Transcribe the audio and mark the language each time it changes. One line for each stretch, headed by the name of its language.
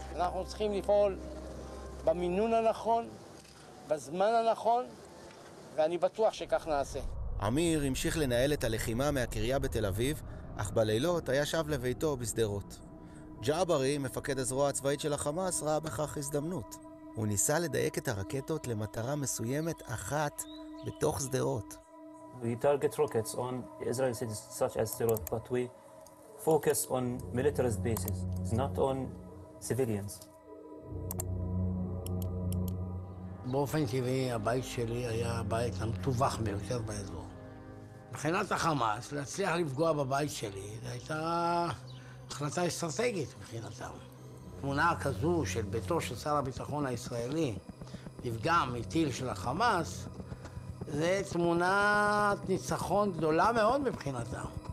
Hebrew: אנחנו צריכים לפעול במינון הנכון, בזמן הנכון, ואני בטוח שכך נעשה. אמיר המשיך לנהל את הלחימה מהקריה בתל אביב, אך בלילות היה שב לביתו בסדרות. ג'אברי, מפקד הזרוע הצבאית של החמאס, ראה בכך הזדמנות. הוא ניסה לדייק את הרקטות למטרה מסוימת אחת בתוך שדרות.
English: We target rockets on Israeli cities such as Sderot, but we focus on military bases, not on civilians.
Hebrew: באופן טבעי, הבית שלי היה הבית המטווח ביותר באזור. מבחינת החמאס, להצליח לפגוע בבית שלי, זה הייתה החלטה אסטרטגית מבחינתם. תמונה כזו של ביתו של שר הביטחון הישראלי נפגע מטיל של החמאס, זה תמונת ניצחון גדולה מאוד מבחינתם.